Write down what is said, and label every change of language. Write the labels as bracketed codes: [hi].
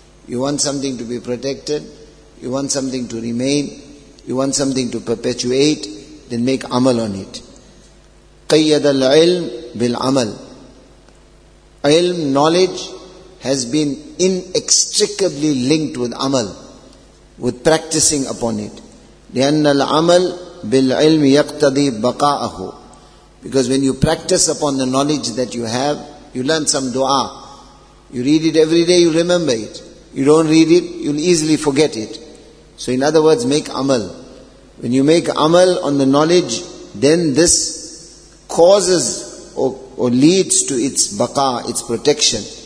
[en] You want something to be protected, you want something to remain, you want something to perpetuate, then make amal on it. [ar] Qayyad al-ilm bil-amal. [en] Ilm, knowledge, has been inextricably linked with amal, with practicing upon it. [ar] لِأَنَّ al-amal بِالْعِلْمِ يَقْتَضِي بَقَاءَهُ. [en] Because when you practice upon the knowledge that you have, you learn some dua. You read it every day, you remember it. You don't read it, you'll easily forget it. So in other words, make amal. When you make amal on the knowledge, then this causes or leads to its baqa, its protection.